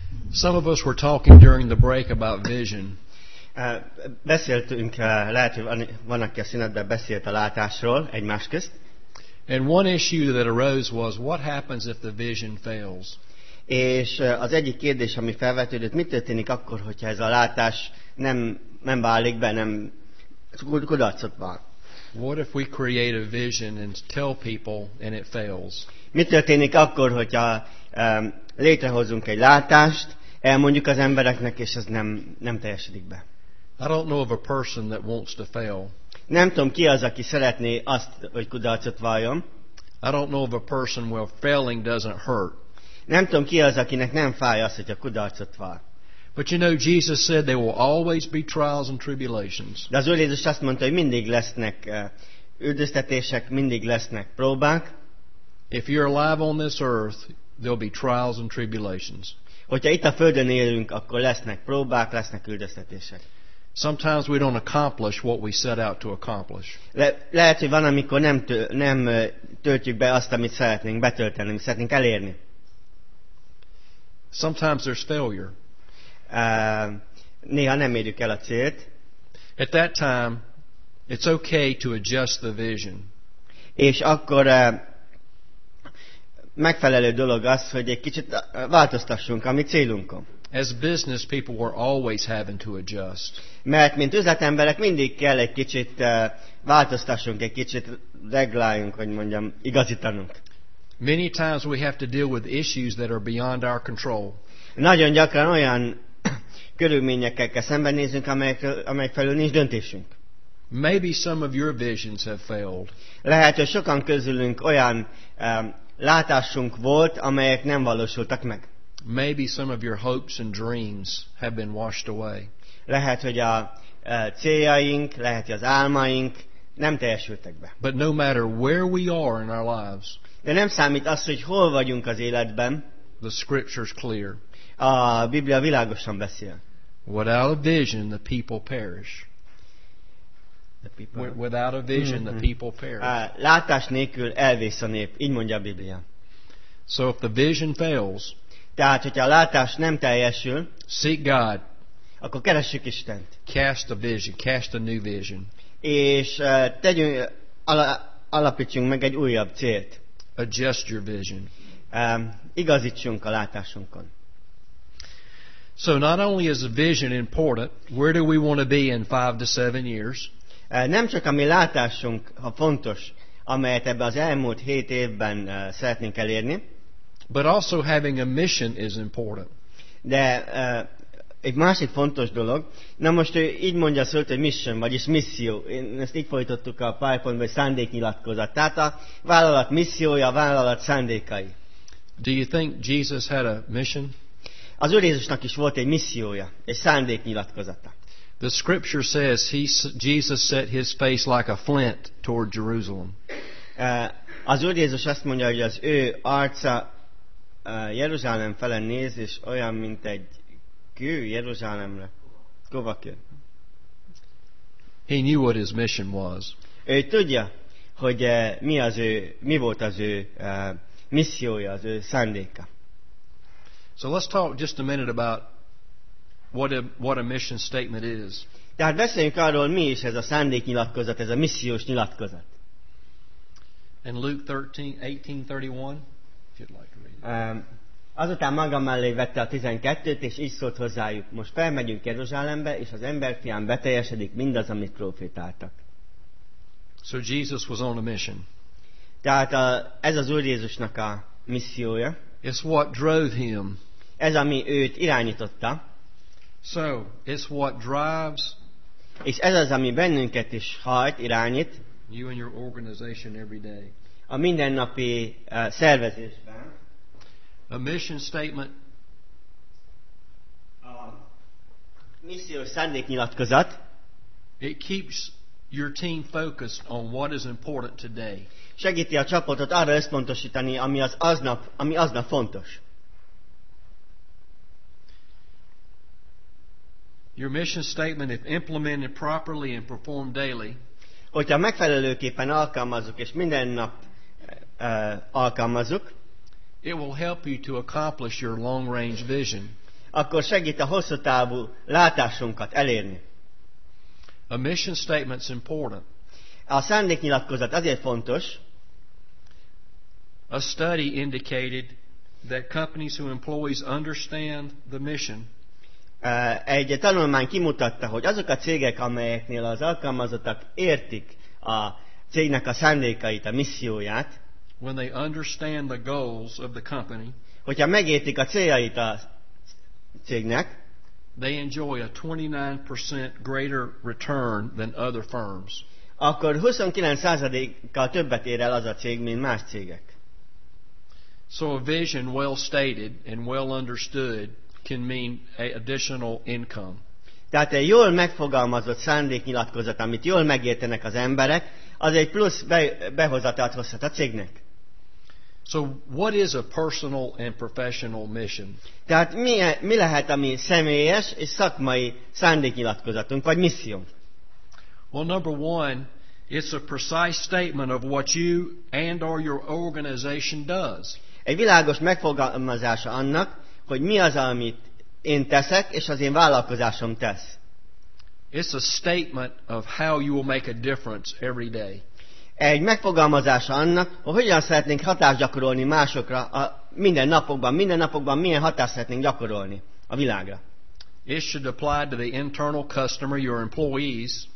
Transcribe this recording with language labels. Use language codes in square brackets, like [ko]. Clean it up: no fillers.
[en] Some of us were talking during the break about vision. [hu] Beszéltünk, lehet, hogy van, aki a szünetben beszélt a látásról egymás közt. [en] And one issue that arose was what happens if the vision fails. [hu] És az egyik kérdés, ami felvetődött, mit történik akkor, hogyha ez a látás nem válik be, nem kudarcot van. [en] What if we create a vision and tell people and it fails? [hu] Mit történik akkor, hogyha létrehozunk egy látást, elmondjuk az embereknek, és ez nem teljesedik be. [en] I don't know of a person that wants to fail. [hu] Nem tudom, ki az, aki szeretné azt, hogy kudarcot valljon. [en] I don't know of a person where failing doesn't hurt. [hu] Nem tudom, ki az, akinek nem fáj az, hogy a kudarcot vall. [en] But you know, Jesus said there will always be trials and tribulations. [hu] De az Úr Jézus azt mondta, hogy mindig lesznek üldöztetések, mindig lesznek próbák. [en] If you're alive on this earth, there'll be trials and tribulations. [hu] Hogyha itt a Földön élünk, akkor lesznek próbák, lesznek üldöztetések. [en] Sometimes we don't accomplish what we set out to accomplish. [hu] Lehet, hogy van, amikor nem töltjük be azt, amit szeretnénk betölteni, amit szeretnénk elérni. [en] Sometimes there's failure. [hu] Néha nem érjük el a célt. [en] At that time, it's okay to adjust the vision. [hu] És akkor megfelelő dolog az, hogy egy kicsit változtassunk a mi célunkon. [en] As business people were always having to adjust. [hu] Mert mint üzletemberek mindig kell egy kicsit változtassunk, egy kicsit regláljunk, hogy mondjam, igazítanunk. [en] Many times we have to deal with issues that are beyond our control. [hu] Nagyon gyakran olyan körülményekkel kell szembenézünk, amelyek felül nincs döntésünk. [en] Maybe some of your visions have failed. [hu] Lehet, hogy sokan közülünk olyan látásunk volt, amelyek nem valósultak meg. [en] Maybe some of your hopes and dreams have been washed away. [hu] Lehet, hogy a céljaink, lehet, hogy az álmaink nem teljesültek be. [en] But no matter where we are in our lives. [hu] De nem számít az, hogy hol vagyunk az életben. [en] The scripture's clear. [hu] A Biblia világosan beszél. [en] Without a vision, the people perish. the people. Without a vision, the people perish. [hu] Látás nélkül elvész a nép, így mondja a Biblia. [en] So if the vision fails, [hu] tehát hogyha a látás nem teljesül, [en] seek God. [hu] Akkor keressük Istent. [en] Cast a vision, cast a new vision. [hu] És tegyünk, alapítsunk meg egy újabb célt. [en] Adjust your vision. [hu] Igazítsunk a látásunkon. [en] So not only is a vision important, where do we want to be in 5 to 7 years? [hu] Nem csak a mi látásunk a fontos, amelyet ebbe az elmúlt 7 évben szeretnénk elérni. [en] But also having a mission is important. [hu] De egy másik fontos dolog. Na most így mondja a szöld, hogy mission, vagyis misszió. Ezt így folytattuk a PowerPoint-ban, hogy szándéknyilatkozat. Tehát a vállalat missziója, a vállalat szándékai. [en] Do you think Jesus had a mission? [hu] Az Úr Jézusnak is volt egy missziója, egy szándéknyilatkozata. [en] The scripture says Jesus set his face like a flint toward Jerusalem. [hu] Az Úr Jézus azt mondja, hogy az ő arca Jeruzsálem felé néz, és olyan, mint egy kő Jeruzsálemre. Kovakő. [en] He knew what his mission was. [hu] Ő tudja, hogy mi volt az ő missziója, az ő szándéka. [en] So let's talk just a minute about what a mission statement is. [hu] Tehát beszéljünk arról, mi is ez a szándéknyilatkozat, ez a missziós nyilatkozat. [en] In Luke 13:18-31, if you'd like to read it. [hu] Azután magam mellé vette a 12-t, és így szólt hozzájuk. Most felmegyünk Jeruzsálembe, és az emberfián beteljesedik mindaz, amit profétáltak. [en] So Jesus was on a mission. [hu] Tehát ez az Úr Jézusnak a missziója. [en] It's what drove him. [hu] Ez, ami őt irányította. [en] So, it's what drives. [hu] És ez az, ami bennünket is hajt, irányít. [en] You and your organization every day. [hu] A mindennapi szervezésben. [en] A mission statement. [hu] Missziós szándéknyilatkozat. [en] It keeps your team focused on what is important today. [hu] Segíti a csapatot arra összpontosítani, ami aznap fontos. [en] Your mission statement, if implemented properly and performed daily. [hu] Hogyha megfelelőképpen alkalmazzuk és minden nap alkalmazzuk. [en] It will help you to accomplish your long-range vision. [hu] Akkor segít a hosszú távú látásunkat elérni. [en] A mission statement's important. [hu] A szándéknyilatkozat azért fontos. [en] A study indicated that companies whose employees understand the mission. [hu] Egy tanulmány kimutatta, hogy azok a cégek, amelyeknél az alkalmazottak értik a cégnek a szándékait, a misszióját. [en] When they understand the goals of the company, [hu] hogyha megértik a céljait a cégnek, [en] they enjoy a 29% greater return than other firms. [hu] Akkor 29%-kal többet ér el az a cég, mint más cégek. [en] So a vision well stated and well understood can mean additional income. [hu] Tehát egy jól megfogalmazott szándéknyilatkozat, amit jól megértenek az emberek, az egy plusz behozatát hozhat a cégnek. [en] So what is a personal and professional mission? [hu] Tehát mi lehet a mi személyes és szakmai szándéknyilatkozatunk vagy missziónk? [en] Well, number one, it's a precise statement of what you and or your organization does. [hu] Egy világos megfogalmazása annak, hogy mi az, amit én teszek és az én vállalkozásom tesz. [en] It's a statement of how you will make a difference every day. [hu] Egy megfogalmazása annak, hogy hogyan szeretnénk hatást gyakorolni másokra a mindennapokban milyen hatást szeretnénk gyakorolni a világra. [en] It should apply to the internal customer, your employees.